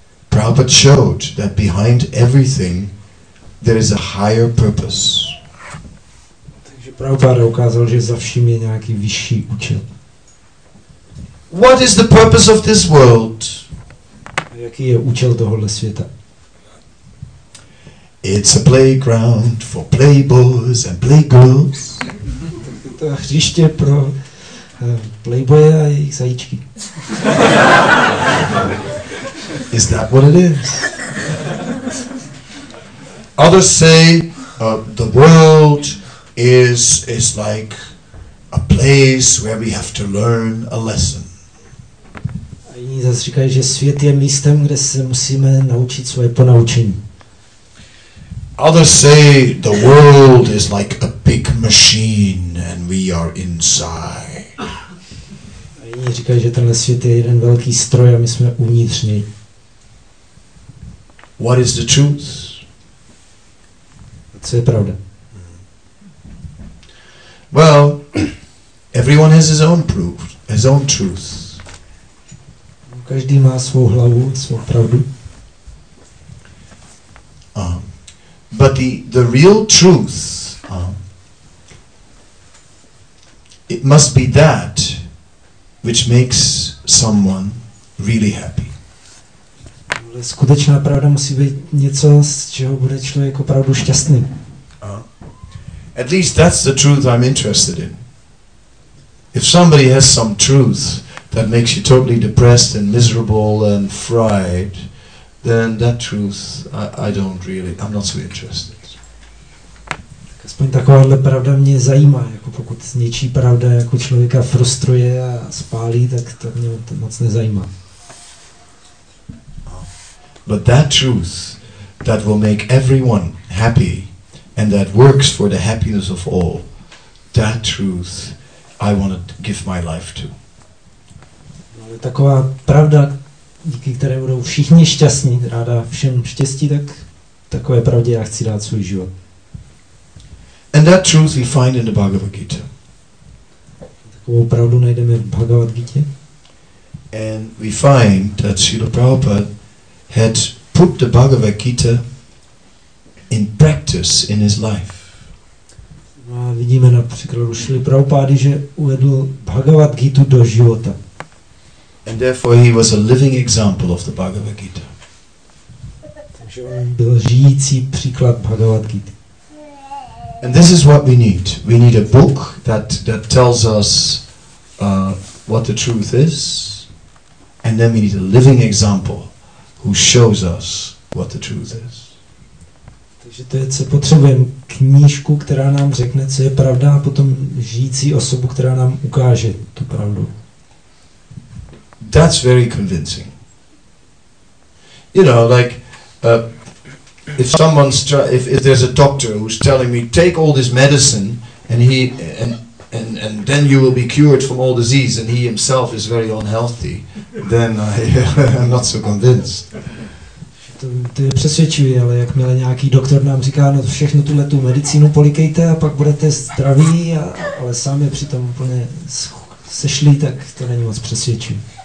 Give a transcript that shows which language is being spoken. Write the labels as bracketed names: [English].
[English] Prabhupada showed that behind everything there is a higher purpose. [Czech] Takže Prabhupada ukázal, že za vším je nějaký vyšší účel. [English] What is the purpose of this world? [Czech] Jaký je účel tohohle světa? [English] It's a playground for playboys and playgirls. [Czech] To je hřiště pro playboye a jejich zajíčky. [English] Is that what it is? Others say the world is like a place where we have to learn a lesson. [Czech] A jiní zase říkají, že svět je místem, kde se musíme naučit svoje ponaučení. [English] Others say the world is like a big machine and we are inside. [Czech] Oni říkají, že tenhle svět je jeden velký stroj a my jsme uvnitř něj. [English] What is the truth? [Czech] Co je pravda? [English] Well, everyone has his own proof, his own truth. [Czech] Každý má svou hlavu, svou pravdu. [English] But the real truth, it must be that which makes someone really happy. [Czech] Ale skutečná pravda musí být něco, z čeho bude člověk opravdu šťastný. [English] At least that's the truth I'm interested in. If somebody has some truth that makes you totally depressed and miserable and fried, then that truth I'm not so interested. [Czech] Tak aspoň takováhle pravda mě zajímá. Pokud něčí pravda jako člověka frustruje a spálí, tak to mě to moc nezajímá. [English] But that truth that will make everyone happy and that works for the happiness of all, that truth I want to give my life to. [Czech] Ale taková pravda, díky které budou všichni šťastní, ráda všem štěstí, tak takové pravdě já chci dát svůj život. [English] And that truth we find in the Bhagavad Gita. [Czech] Takovou pravdu najdeme v Bhagavad Gita. [English] And we find that Srila Prabhupada had put the Bhagavad Gita in practice in his life. [Czech] A vidíme na příkladu Srila Prabhupády, že uvedl Bhagavad Gita do života. [English] And therefore he was a living example of the Bhagavad Gita. [Czech] Takže on byl žijící příklad Bhagavad Gita. [English] And this is what we need. We need a book that tells us what the truth is, and then we need a living example who shows us what the truth is. [Czech] Takže to je, co potřebujeme, knížku, která nám řekne, co je pravda, a potom žijící osobu, která nám ukáže tu pravdu. [English] That's very convincing. You know, like if someone's if there's a doctor who's telling me take all this medicine and then you will be cured from all disease and he himself is very unhealthy, then I'm not so convinced. [Czech] To je přesvědčivý, ale jakmile nějaký doktor nám říká, no všechno tuhle tu medicínu polikejte a pak budete zdraví, ale sám je přitom úplně sešlý, tak to není moc přesvědčivý.